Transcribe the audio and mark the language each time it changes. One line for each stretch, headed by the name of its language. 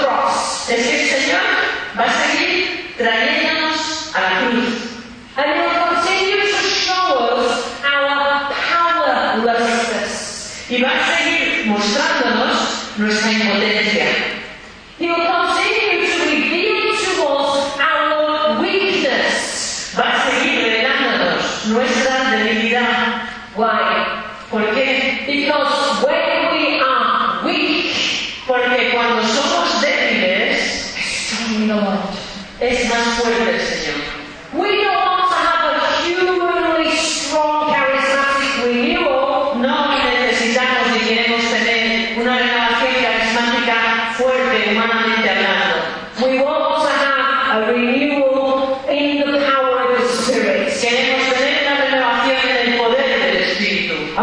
Spanish: Señor va a seguir trayéndonos a la cruz.
English: And he will continue to show us our powerlessness.
Spanish: Y va a seguir mostrándonos nuestra impotencia.
English: He will continue to reveal to us our weakness.
Spanish: Va a seguir revelándonos nuestra debilidad.
English: Why?
Spanish: ¿Por qué?
English: Because when we are weak,
Spanish: porque cuando somos débiles,
English: Lord.
Spanish: Es más fuerte el Señor.
English: We don't want to have a humanly strong charismatic renewal.
Spanish: No necesitamos ni queremos tener una renovación carismática fuerte humanamente hablando.
English: We want to have a renewal in the power of the Spirit.
Spanish: Queremos tener una renovación en el poder del Espíritu.